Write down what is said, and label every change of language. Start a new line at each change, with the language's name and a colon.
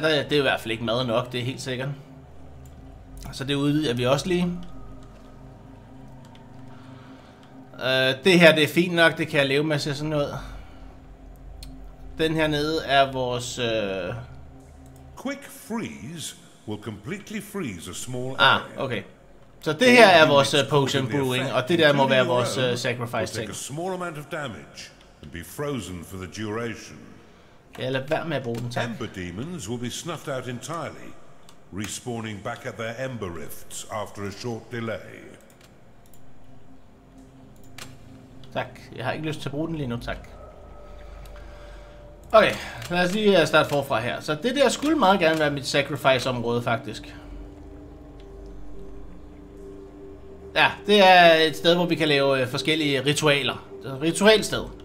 Danish: Det er i hvert fald ikke mad nok, det er helt sikkert. Så det udvider vi også lige. Det her det er fint nok, det kan jeg leve med sig sådan noget. Den her nede er vores
English: quick freeze will completely freeze a small area.
Danish: Okay. Så det her er vores potion brewing, og det der må være vores sacrifice ting.
English: Take a small amount of damage and be frozen for the duration.
Danish: Ja, lad være med at bruge den, tak.
English: Ember demons will be snuffed out entirely, respawning back at their ember rifts after a short delay.
Danish: Tak. Jeg har ikke lyst til at bruge den lige nu, tak. Okay, lad os lige starte forfra her. Så det der skulle meget gerne være mit sacrifice-område, faktisk. Ja, det er et sted, hvor vi kan lave forskellige ritualer. Ritualsted.